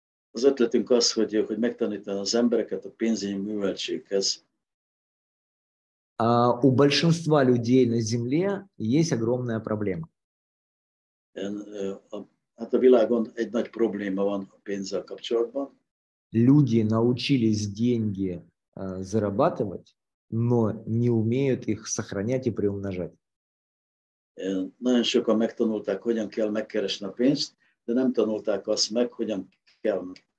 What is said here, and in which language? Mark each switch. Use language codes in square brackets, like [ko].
[hu] Az ötletünk az, hogy megtanítani az embereket a pénzügyi műveltséghez. [ru] У большинства людей на Земле есть огромная проблема. [hu] Hát a világon egy nagy probléma van a pénzzel kapcsolatban. [ru] Люди научились деньги зарабатывать, но не умеют их сохранять и приумножать. [hu] Nagyon sokan megtanulták, hogyan kell megkeresni a pénzt, de nem tanulták azt meg, hogyan kell